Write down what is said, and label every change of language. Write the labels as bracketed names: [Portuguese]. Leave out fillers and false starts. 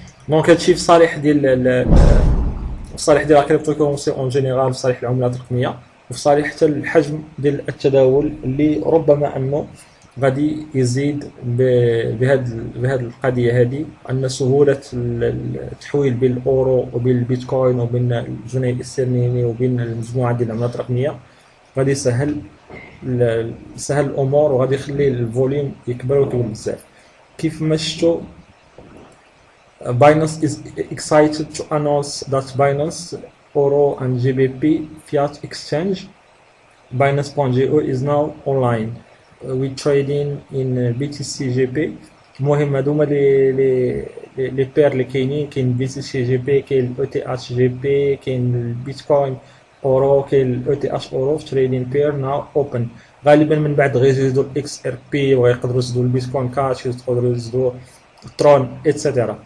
[Arabic] دونك هادشي في صالح ديال صالح ديال الكريبتو كورونسي اون جينيرال، في صالح العملات الرقميه، وفي صالح حتى الحجم ديال التداول اللي ربما انه غادي يزيد بهذه القضيه هذه، ان سهوله التحويل بين الاورو وبين البيتكوين وبين الجنيه الاسترليني وبين المجموعه ديال العملات الرقميه غادي يسهل الامور، وغادي يخلي الفوليوم يكبر ويكبر بزاف. كيف ما شفتوا [English] Binance is excited to announce that Binance Oro and GBP fiat exchange Binance.io is now online with trading in BTC GP. [Arabic] المهم هذوما لي بير اللي كاينين، كاين BTC GP، كاين ETH GP، كاين البيتكوين اورو، كاين ETH اورو تريدين بير ناو اوبن. غالبا من بعد غيزيدو الاكس ار بي، وغيقدروا يزيدو البيتكوين كاش، يقدروا يزيدو ترون اتسيتيرا.